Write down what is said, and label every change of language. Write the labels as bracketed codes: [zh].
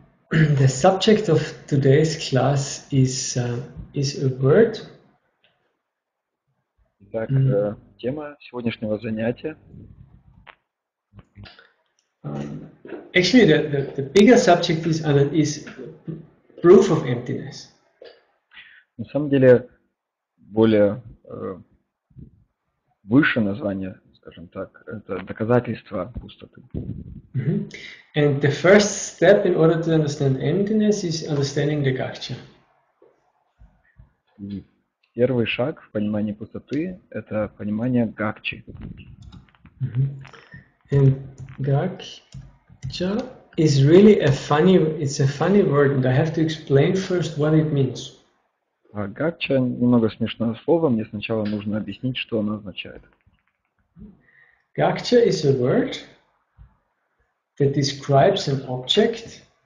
[en] The subject of today's class is a word. [ru] Итак, тема сегодняшнего занятия. [en] Actually, the bigger subject is proof of emptiness. [ru] На самом деле, более выше название, скажем так, это доказательство пустоты. [en] And the first step in order to understand emptiness is understanding the gacha. [ru] Первый шаг в понимании пустоты – это понимание гакчи. [en] And gakcha is really a funny, it's a funny word, and I have to explain first what it means. [ru] А гакча – немного смешное слово, мне сначала нужно объяснить, что оно означает. [en] Gakcha is a word that describes an object,